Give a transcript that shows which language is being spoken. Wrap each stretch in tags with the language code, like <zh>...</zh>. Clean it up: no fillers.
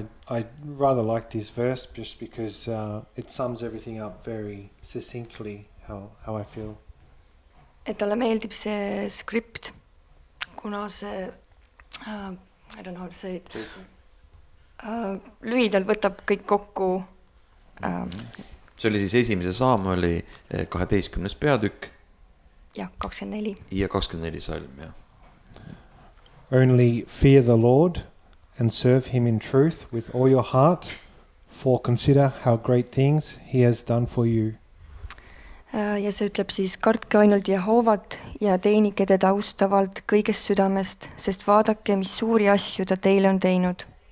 <en>I rather like this verse just because it sums everything up very succinctly how I feel.</en> <et>Et talle meeldib see skript, kuna see,</et> <en>I don't know how to say it,</en> <et>lühidalt võtab kõik kokku. See oli siis esimese saam, oli 12. peatükk. Ja 24. Ja 24 salm, ja.</et> <en>Only fear the Lord and serve him in truth with all your heart, for consider how great things he has done for you.</en> <et>Ja see ütleb siis, kartke ainult Jehovat ja teenike teda austavalt kõigest südamest, sest vaadake, mis suuri asju ta teile on teinud.</et>